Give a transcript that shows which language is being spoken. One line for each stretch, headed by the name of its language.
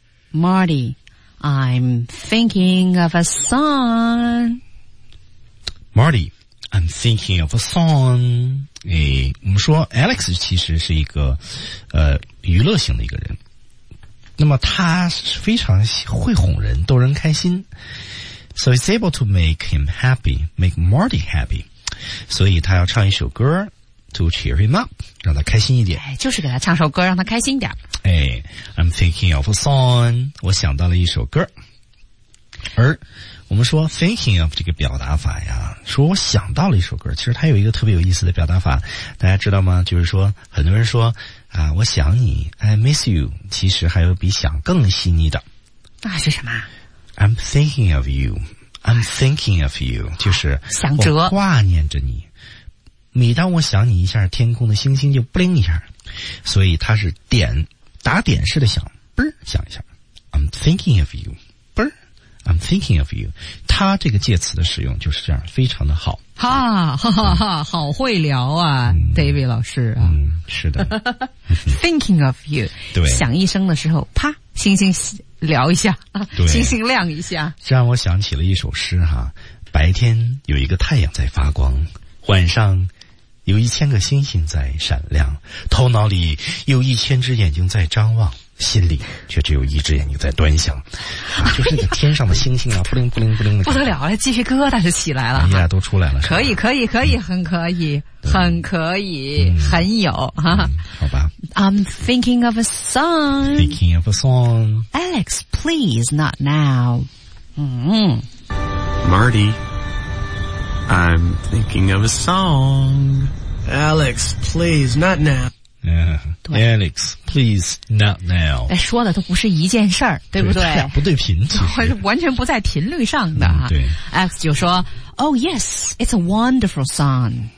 English: Marty, I'm thinking of a song. Marty, I'm thinking of a song.
Chinese: 诶，我们说 Alex 其实是一个娱乐型的一个人。那么他非常会哄人，逗人开心。
English: So it's able to make him happy, make Marty happy.
Chinese: 所以他要唱一首歌
English: To cheer him up,
Chinese: 让他开心一点。哎，就是给他唱首歌，让他开心点。
English: 哎 ，I'm thinking of a song，
Chinese: 我想到了一首歌。而我们说 thinking of 这个表达法呀，说我想到了一首歌，其实它有一个特别有意思的表达法，大家知道吗？就是说，很多人说啊，我想你 ，
English: I miss you，
Chinese: 其实还有比想更细腻的。那是什么
English: ？I'm thinking of you， I'm thinking of you，
Chinese: 就是想着我挂念着你。每当我想你一下，天空的星星就不灵一下，所以它是点打点式的响，响一下。
English: I'm thinking of you, I'm thinking of you。
Chinese: 它这个介词的使用就是这样，非常的好。哈哈哈，好会聊啊，David 老师啊。是的。
English: thinking of you，
Chinese: 对，响一声的时候，啪，星星聊一下，星星亮一下。这让我想起了一首诗哈，白天有一个太阳在发光。晚上有一千个星星在闪亮，头脑里有一千只眼睛在张望，心里却只有一只眼睛在端详。啊，就是那个天上的星星啊，不灵不灵不灵的，不得了了，鸡皮疙瘩就起来了。哎呀，都出来了。可以可以可以，很可以，很可以，很有哈，好吧。
English: I'm thinking of a song. Thinking of a song. Alex, please not now. Marty. I'm thinking of a song. Alex, please, not now. Alex, please, not now.
Chinese: 哎，说的都不是一件事儿，对不对？对，不对频，完全不在频率上的哈。对。
English: Alex
Chinese: 就说
English: ，Oh yes, it's a wonderful song.